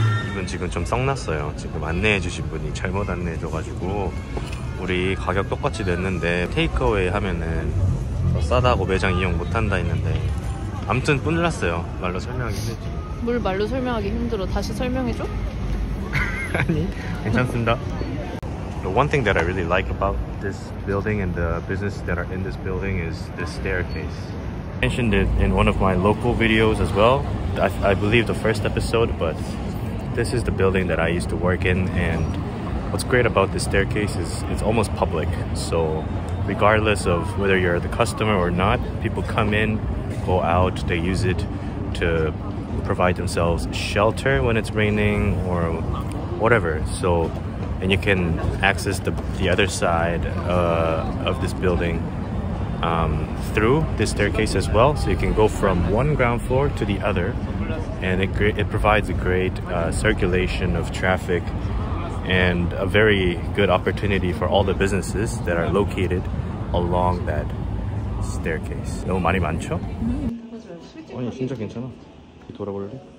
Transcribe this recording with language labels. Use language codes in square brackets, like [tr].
[ko] 이분 지금 좀 썩났어요. 지금 안내해 주신 분이 잘못 안내해 줘가지고 우리 가격 똑같이 냈는데 테이크어웨이 하면은 더 싸다고 매장 이용 못한다 했는데 암튼 끝났어요. 말로 설명하기 힘들지. 뭘 말로 설명하기 힘들어. 다시 설명해줘? 아니, 괜찮습니다. [en] The one thing that I really like about this building and the business that are in this building is the staircase. I mentioned it in one of my local videos as well. I believe the first episode, but this is the building that I used to work in. And what's great about this staircase is it's almost public. So regardless of whether you're the customer or not, people come in, go out, they use it to provide themselves shelter when it's raining or whatever. So. And you can access the other side of this building through this staircase as well. So you can go from one ground floor to the other. And it provides a great circulation of traffic and a very good opportunity for all the businesses that are located along that staircase. [ko] 너무 많이 많죠? 아니, 진짜 괜찮아. 돌아볼래?